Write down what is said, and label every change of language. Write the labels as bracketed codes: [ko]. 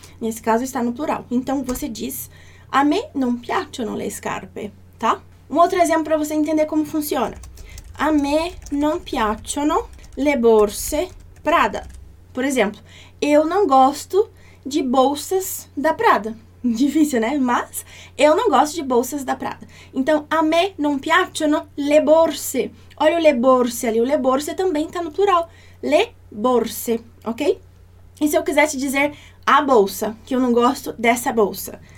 [pt] Nesse caso, está no plural. Então, você diz: [it] A me non piacciono le scarpe, [pt] tá? Um outro exemplo para você entender como funciona: [it] A me non piacciono le borse Prada. [pt] Por exemplo, eu não gosto de bolsas da Prada. Difícil, né? Mas eu não gosto de bolsas da Prada. Então, [it] a me non piacciono le borse. [pt] Olha o le borse ali. O le borse também está no plural. Le borse, ok? E se eu quisesse dizer a bolsa, que eu não gosto dessa bolsa?